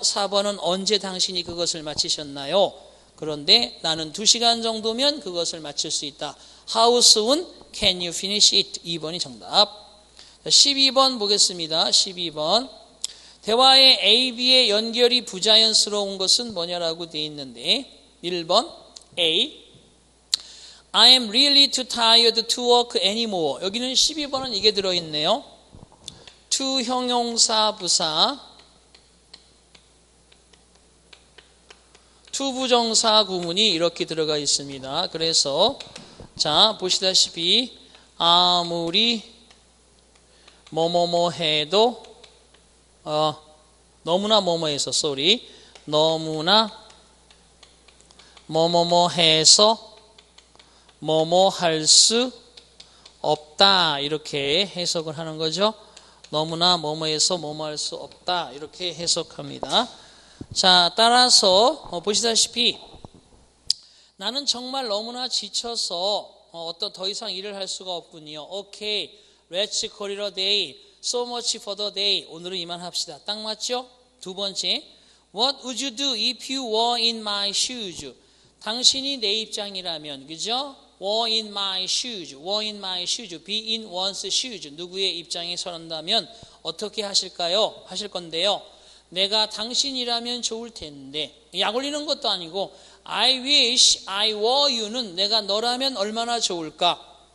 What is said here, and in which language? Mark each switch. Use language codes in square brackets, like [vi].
[ko] 4번은 언제 당신이 그것을 마치셨나요? 그런데 나는 2시간 정도면 그것을 마칠 수 있다. [en] How soon can you finish it? [ko] 2번이 정답. 12번 보겠습니다. 12번. 대화의 A, B의 연결이 부자연스러운 것은 뭐냐라고 돼 있는데 1번 A. [en] I am really too tired to work anymore. [ko] 여기는 12번은 이게 들어있네요. 형용사 부사 부정사 구문이 이렇게 들어가 있습니다. 그래서 자 보시다시피 아무리 뭐뭐뭐 해도 너무나 뭐뭐 해서 sorry 너무나 뭐뭐뭐 해서 뭐뭐 할 수 없다 이렇게 해석을 하는 거죠. 너무나 뭐뭐해서 뭐뭐 할 수 없다 이렇게 해석합니다. 자 따라서 보시다시피 나는 정말 너무나 지쳐서 어떤 더 이상 일을 할 수가 없군요. [en] Okay, let's call it a day. So much for the day. [ko] 오늘은 이만 합시다. 딱 맞죠? 두 번째. [en] What would you do if you were in my shoes? [ko] 당신이 내 입장이라면, 그죠? [en] Were in my shoes. Were in my shoes. Be in one's shoes. [ko] 누구의 입장에 서른다면 어떻게 하실까요? 하실 건데요. 내가 당신이라면 좋을 텐데. 약 올리는 것도 아니고 [en] I wish I were you [ko] 는 내가 너라면 얼마나 좋을까?